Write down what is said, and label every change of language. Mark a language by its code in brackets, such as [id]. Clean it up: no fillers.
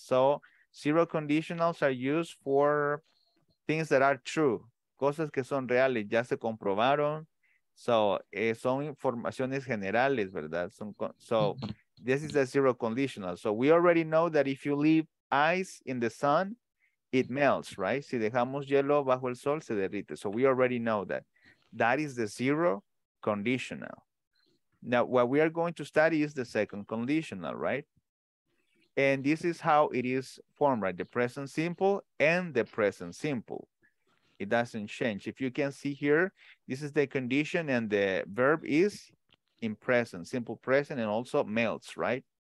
[en] So zero conditionals are used for things that are true. Cosas que son reales, ya se comprobaron, So, son informaciones generales, ¿verdad? So, this is a zero conditional. So, we already know that if you leave ice in the sun, it melts, right? [es] Si dejamos hielo bajo el sol, se derrite. [en] So, we already know that. That is the zero conditional. Now, what we are going to study is the second conditional, right? And this is how it is formed, right? The present simple and the present simple. It doesn't change. If you can see here, this is the condition and the verb is in present, simple present, and also melts, right?